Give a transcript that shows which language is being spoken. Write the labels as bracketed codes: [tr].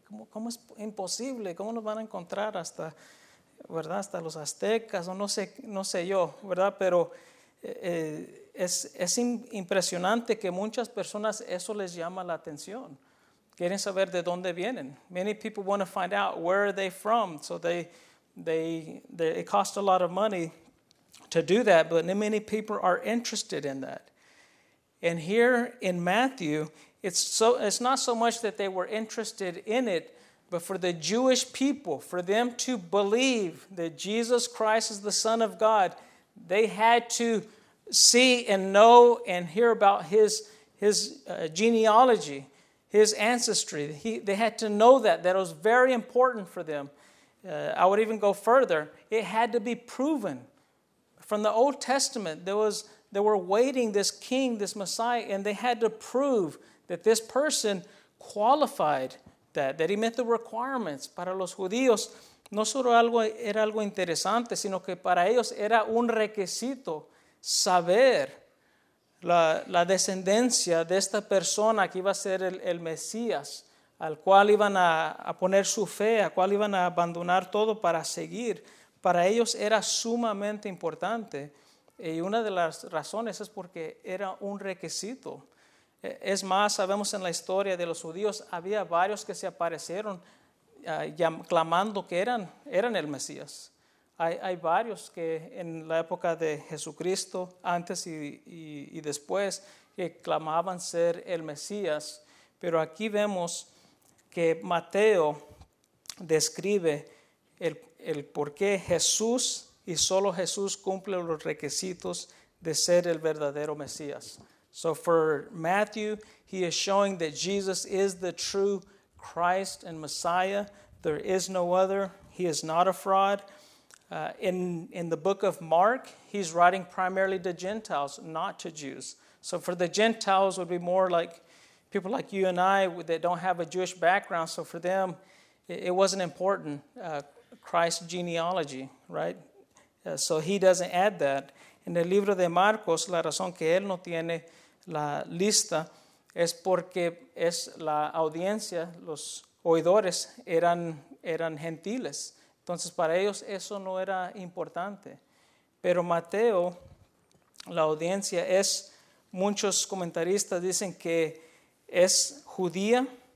[es] ¿Cómo es imposible? ¿Cómo nos van a encontrar hasta, ¿verdad? Hasta los aztecas, o no sé yo, ¿verdad? Pero es impresionante que muchas personas eso les llama la atención. Quieren saber de dónde vienen. [en] Many people want to find out where are they from. So they it costs a lot of money to do that, but not many people are interested in that. And here in Matthew, it's not so much that they were interested in it, but for the Jewish people, for them to believe that Jesus Christ is the Son of God, they had to see and know and hear about his genealogy, his ancestry. They had to know that was very important for them. I would even go further. It had to be proven. From the Old Testament, they were waiting this king, this Messiah, and they had to prove that this person qualified that he met the requirements. [es] Para los judíos, no solo algo era algo interesante, sino que para ellos era un requisito saber la descendencia de esta persona que iba a ser el Mesías, al cual iban a poner su fe, al cual iban a abandonar todo para seguir, para ellos era sumamente importante. Y una de las razones es porque era un requisito. Es más, sabemos en la historia de los judíos, había varios que se aparecieron clamando que eran el Mesías. Hay varios que en la época de Jesucristo, antes y después, que clamaban ser el Mesías. Pero aquí vemos que Mateo describe el por qué Jesús y solo Jesús cumple los requisitos de ser el verdadero Mesías. [en] So for Matthew, he is showing that Jesus is the true Christ and Messiah. There is no other. He is not a fraud. In the book of Mark, he's writing primarily to Gentiles, not to Jews. So for the Gentiles, it would be more like people like you and I that don't have a Jewish background. So for them, it wasn't important, Christ's genealogy, right? So he doesn't add that. [es] En el libro de Marcos, la razón que él no tiene la lista es porque es la audiencia, los oidores eran gentiles. Entonces, para ellos eso no era importante. Pero Mateo, la audiencia es, muchos comentaristas dicen que es judía.